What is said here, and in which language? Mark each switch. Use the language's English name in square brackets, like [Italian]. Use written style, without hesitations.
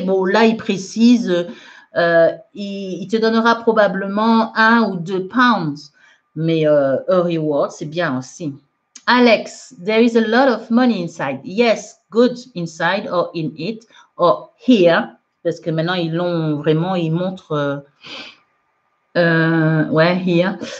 [French] Bon, là, il précise, il te donnera probablement un ou deux pounds. Mais a reward, c'est bien aussi. [English] Alex, there is a lot of money inside. Yes, good inside or in it or here. [French] Parce que maintenant, ils l'ont vraiment, ils montrent, here.